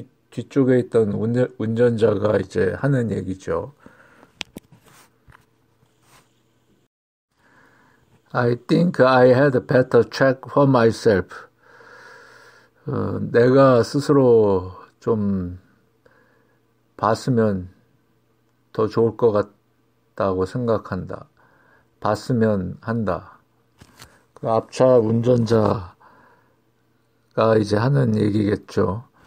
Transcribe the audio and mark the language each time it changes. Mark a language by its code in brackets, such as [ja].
[ko] 뒤쪽에 있던 운전자가 이제 하는 얘기죠. [en] I think I had better check for myself. [ko] 내가 스스로 좀 봤으면 더 좋을 것 같다고 생각한다. 봤으면 한다. 앞차 운전자가 이제 하는 얘기겠죠.